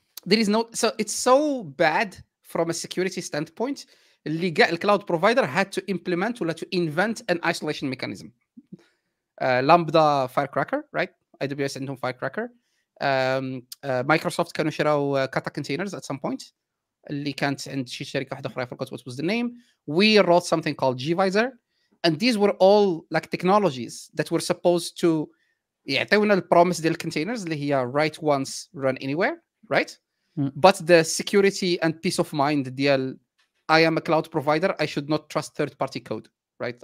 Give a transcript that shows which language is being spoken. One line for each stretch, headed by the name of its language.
English: There is no, so it's so bad from a security standpoint,
Arabic: اللي قاع الكلاود بروفايدر
English: had to implement
Arabic: ولا
English: to invent an isolation mechanism. Lambda Firecracker, right? AWS and home Firecracker. Microsoft
Arabic: كانوا شراو
English: Kata containers at some point.
Arabic: اللي كانت عند شي شركة واحدة أخرى,
English: I forgot what was the name. We wrote something called gVisor. And these were all like technologies that were supposed to
Arabic: يعطيونا البروميس ديال
English: containers
Arabic: اللي هي
English: write once, run anywhere, right? But the security and peace of mind ديال I am a cloud provider, I should not trust third party code, right?